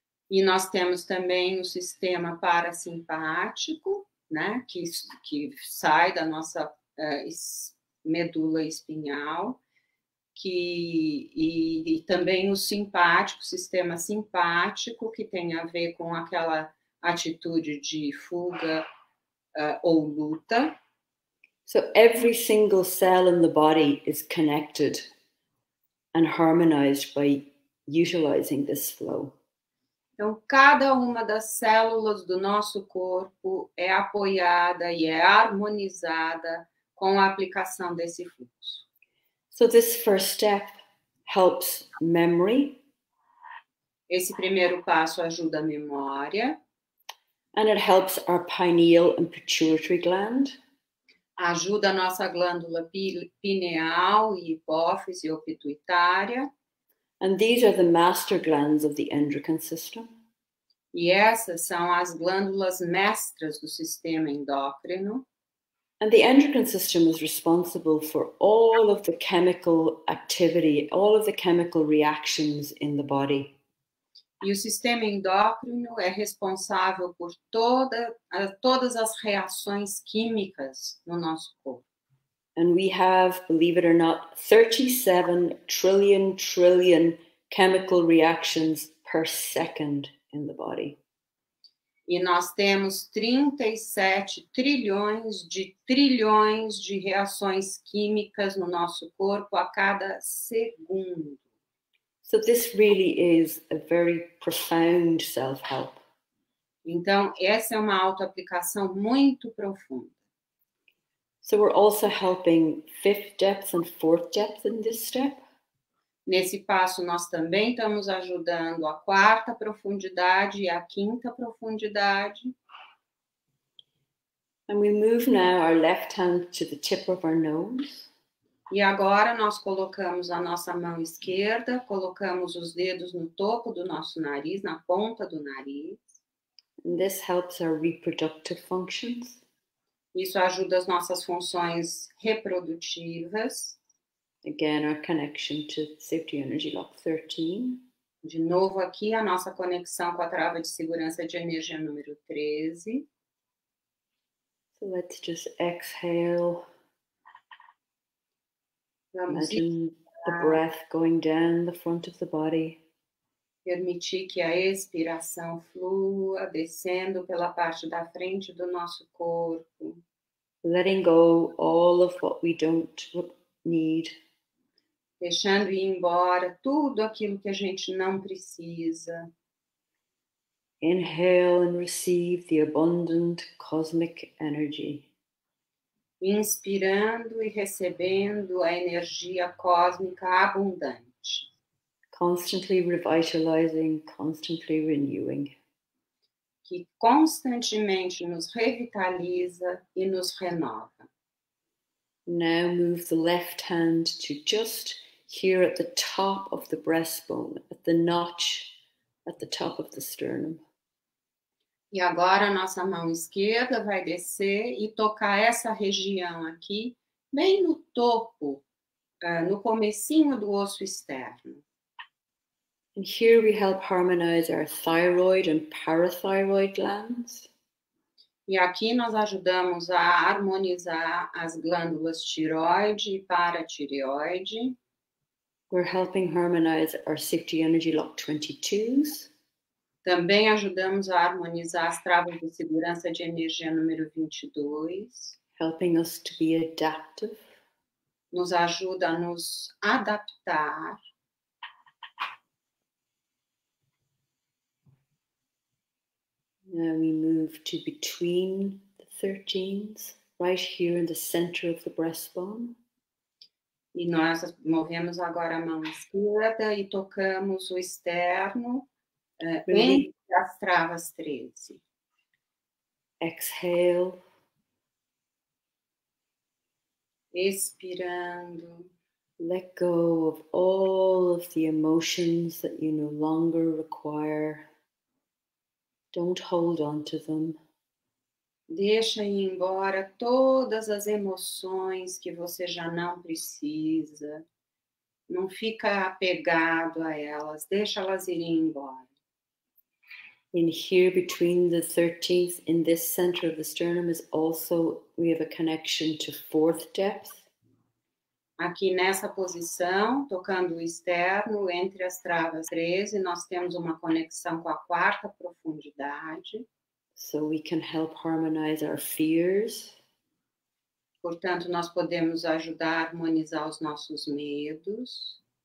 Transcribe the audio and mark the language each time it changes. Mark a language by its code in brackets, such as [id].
[pt] E nós temos também o sistema parasimpático, né, que sai da nossa medula espinhal, e também o simpático, sistema simpático, que tem a ver com aquela atitude de fuga ou luta. [en] So every single cell in the body is connected and harmonized by utilizing this flow. [pt] Então, cada uma das células do nosso corpo é apoiada e é harmonizada com a aplicação desse fluxo. [en] So this first step helps memory [pt] Esse primeiro passo ajuda a memória, [en] and it helps our pineal and pituitary gland. [pt] ajuda a nossa glândula pineal e hipófise ou pituitária. [en] And these are the master glands of the endocrine system. [pt] E essas são as glândulas mestras do sistema endócrino. [en] And the endocrine system is responsible for all of the chemical activity, all of the chemical reactions in the body. [pt] E o sistema endócrino é responsável por todas as reações químicas no nosso corpo. [en] And we have, believe it or not, 37 trillion trillion chemical reactions per second in the body. [pt] E nós temos 37 trilhões de reações químicas no nosso corpo a cada segundo. [en] So this really is a very profound self-help. [pt] Então, essa é uma autoaplicação muito profunda. [en] So we're also helping fifth depth and fourth depth in this step. [pt] Nesse passo, nós também estamos ajudando a quarta profundidade e a quinta profundidade. [en] And we move now our left hand to the tip of our nose. [pt] E agora nós colocamos a nossa mão esquerda, colocamos os dedos no topo do nosso nariz, na ponta do nariz. [en] And this helps our reproductive functions. [pt] Isso ajuda as nossas funções reprodutivas. [en] Again, our connection to safety energy lock 13. [pt] De novo aqui a nossa conexão com a trava de segurança de energia número 13. [en] So let's just exhale. [pt] Vamos [en] Imagine the breath going down the front of the body. [pt] permitir que a expiração flua, descendo pela parte da frente do nosso corpo. [en] Letting go all of what we don't need. [pt] Deixando ir embora tudo aquilo que a gente não precisa. [en] Inhale and receive the abundant cosmic energy. [pt] Inspirando e recebendo a energia cósmica abundante. [en] Constantly revitalizing, constantly renewing. [pt] Que constantemente nos revitaliza e nos renova. [en] Now move the left hand to just here at the top of the breastbone, at the notch at the top of the sternum. [pt] E agora a nossa mão esquerda vai descer e tocar essa região aqui, bem no topo, no comecinho do osso externo. [en] And here we help harmonize our thyroid and parathyroid glands. [pt] E aqui nós ajudamos a harmonizar as glândulas tireoide e paratireoide. [en] We're helping harmonize our safety energy lock 22s. [pt] Também ajudamos a harmonizar as travas de segurança de energia número 22. [en] Helping us to be adaptive. [pt] Nos ajuda a nos adaptar. [en] Now we move to between the 13s, right here in the center of the breastbone. [pt] E nós movemos agora a mão esquerda e tocamos o externo entre as travas 13. [en] Exhale. [pt] Expirando. [en] Let go of all of the emotions that you no longer require. Don't hold on to them. [pt] Deixa ir embora todas as emoções que você já não precisa. Não fica apegado a elas, deixa elas irem embora. [en] In here between the 13th, in this center of the sternum, is also we have a connection to fourth depth. [pt] Aqui nessa posição, tocando o externo, entre as travas 13, nós temos uma conexão com a quarta profundidade. [en] So we can help harmonize our fears. [pt] Portanto, nós podemos ajudar a harmonizar os nossos medos.